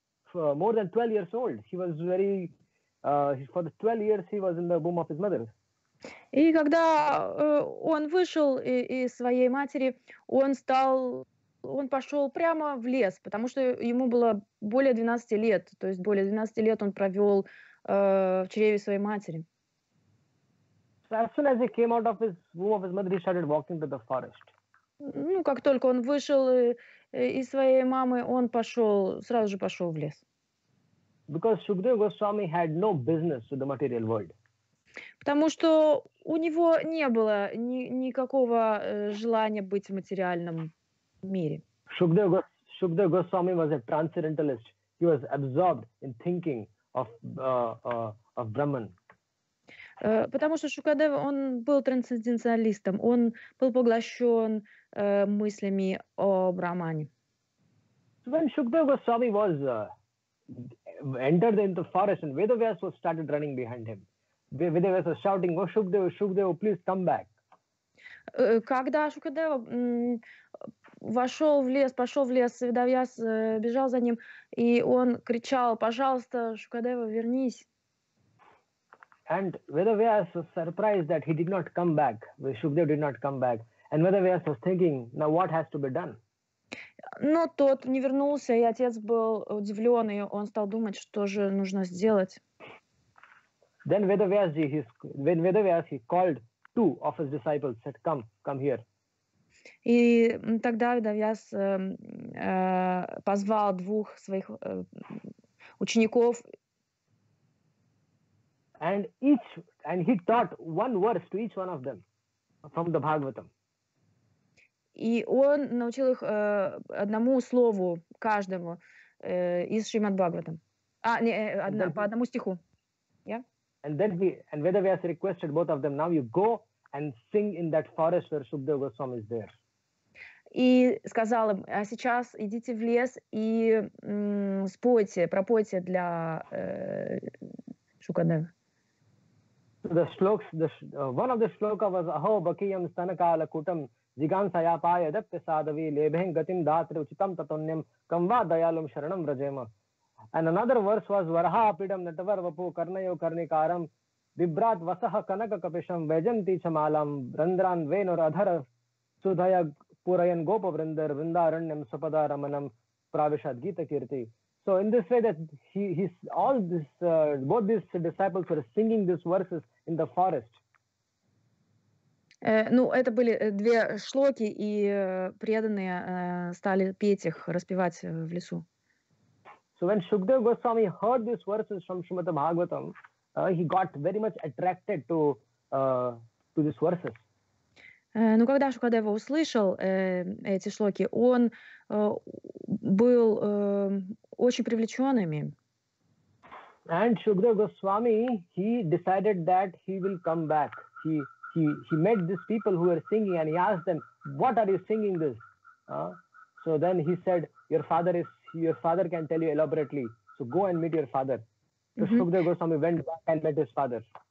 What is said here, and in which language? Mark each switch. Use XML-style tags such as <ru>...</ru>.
<en>He was more than 12 years old. He was very for the 12 years he was in the womb of his mother.</en> <ru>И когда он вышел из своей матери, он пошел прямо в лес, потому что ему было более 12 лет, то есть более 12 лет он провел в чреве своей матери.</ru> <en>As soon as he came out of his womb of his mother, he started walking to the forest.</en> <ru>Ну, как только он вышел из своей мамы, он сразу же пошел в лес.</ru> <en>Because Shukadeva Goswami had no business with the material world.</en> <ru>Потому что у него не было никакого желания быть в материальном мире.</ru> <en>Shukadeva Goswami was a transcendentalist. He was absorbed in thinking of Brahman.</en> <ru>Потому что Шукадева, он был трансценденталистом. Он был поглощен мыслями о Брахмане.</ru> <en>When Shukadeva Goswami was entered into the forest and Vedavyas was started running behind him. Vedavyas was shouting, oh, Shukadeva, please come back.</en> <ru>Когда Шукадева пошел в лес, Vedavyas бежал за ним, и он кричал, пожалуйста, Шукадева, вернись.</ru> <en>And Vedavyas was surprised that he did not come back. Shukadeva did not come back. And Vedavyas was thinking, now what has to be done?</en> <ru>Но тот не вернулся, и отец был удивлен, и он стал думать, что же нужно сделать.</ru> <en>Then Vedavyas, he called two of his disciples, said, come here.</en> <ru>И тогда Vedavyas позвал двух своих учеников.</ru> <en>And he taught one verse to each one of them from the Bhagavatam.</en> <ru>И он научил их одному слову каждому из Шримад Бхагаватам. По одному стиху.</ru> <en>And then Vedavyas requested both of them, now you go and sing in that forest where Shukadeva Goswami is there.</en> <ru>И сказал им, а сейчас идите в лес и спойте, пропойте для Шукадевы.</ru> <en>the slokas, one of the sloka was</en> <sa>aho bakiyam stanakala kutam jigansaya paya daptisadavi lebhen gatim datri uchitam tatonyam kamva dayalum sharanam rajema.</sa> <en>And another verse was</en> <sa>varaha apidam natavar vapu karnayo karnikaram vibrat vasaha kanaka kapisham vajanti chamalam randran venur adhar sudhaya purayan gopa vrindar vrindaranyam sapada ramanam pravishad gita kirti.</sa> <en>So in this way, that he's all this, both these disciples were singing these verses in the forest.</en> <ru>Ну, это были две шлоки, и преданные стали петь их, распевать в лесу.</ru> <en>So when Shukdev Goswami heard these verses from Shrimad Bhagavatam, he got very much attracted to these verses.</en> <ru>Ну, когда Шукадев услышал эти шлоки, он был очень привлеченными.</ru> <en>And Shukdev Goswami, he decided that he will come back. He met these people who were singing and he asked them, what are you singing this? So then he said, your father can tell you elaborately. So go and meet your father. So Shukdev Goswami went back and met his father.</en>